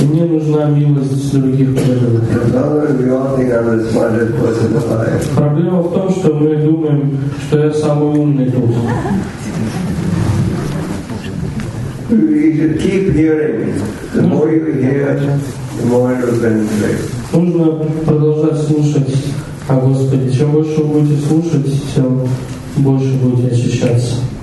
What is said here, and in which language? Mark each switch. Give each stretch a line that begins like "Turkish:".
Russian: Мне нужна милость с других преданных. Проблема в том, что мы думаем, что я самый умный тут.
English: We should keep hearing. The more you hear, the more it will benefit.
Russian: Нужно продолжать слушать. А Господи, чем больше вы будете слушать, тем больше будете ощущаться.